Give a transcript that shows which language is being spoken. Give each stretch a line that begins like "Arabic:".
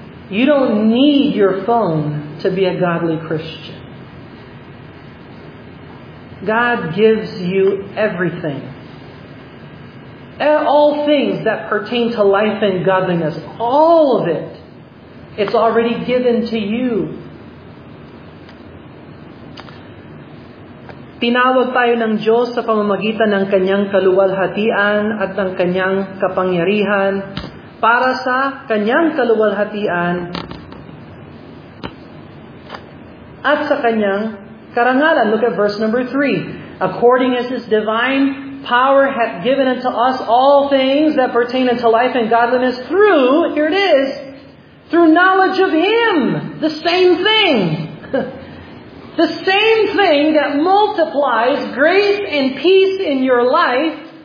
English: You don't need your phone to be a godly Christian. God gives you everything. All things that pertain to life and godliness, all of it, it's already given to you.
Filipino: Tinawag tayo ng Diyos sa pamamagitan ng kanyang kaluwalhatian at ng kanyang kapangyarihan para sa kanyang kaluwalhatian at sa kanyang karangalan.
English: Look at verse number 3. According as His divine power hath given unto us all things that pertain unto life and godliness through, here it is, through knowledge of Him. The same thing. The same thing that multiplies grace and peace in your life.